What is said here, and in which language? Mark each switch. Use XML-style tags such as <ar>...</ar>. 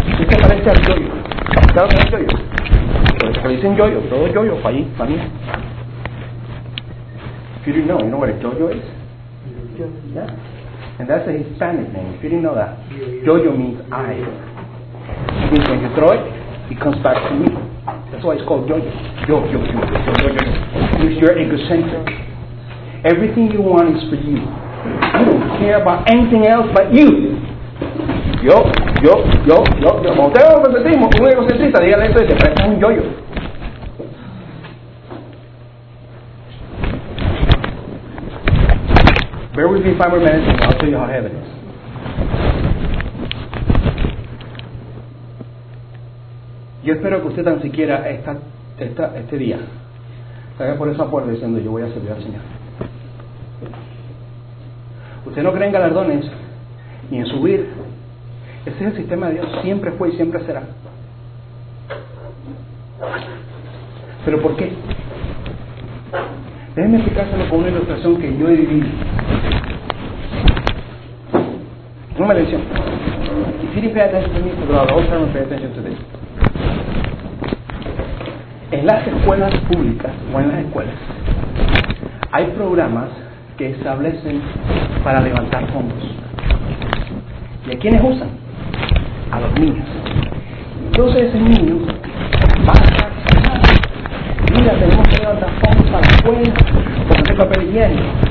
<es>¿Qué parece al yoyo? ¿Sabes qué es el yoyo? Le dicen yo-yo, todo yo-yo para allí, para mí.</es> <en>If you didn't know, you know what a yo-yo is? Yeah. And that's a Hispanic name, if you didn't know that. Yo-yo means I. It means when you throw it, it comes back to me. That's why it's called yo-yo. Yo-yo. Because you're egocentric. Everything you want is for you. I don't care about anything else but you.</en> <es>yo, cuando usted va a un egocentrista, dígale esto y dice, es un yo-yo.</es> <en>Bear with me 5 more minutes and I'll tell you how heaven is.</en> <es>Yo espero que usted tan siquiera este día salga por esa puerta diciendo, yo voy a servir al Señor. Usted no cree en galardones ni en subir. Ese es el sistema de Dios, siempre fue y siempre será. ¿Pero por qué? Déjeme explicárselo con una ilustración que yo he vivido. Una maldición.</es> <en>If you didn't pay attention to me, but I'll also pay attention to this.</en> <es>En las escuelas públicas o en las escuelas hay programas que establecen para levantar fondos. ¿Y a quiénes usan? A los niños. Entonces ese niño va a reaccionar. Mira, tenemos que levantar fondos para la escuela, para hacer papel higiénico.</es>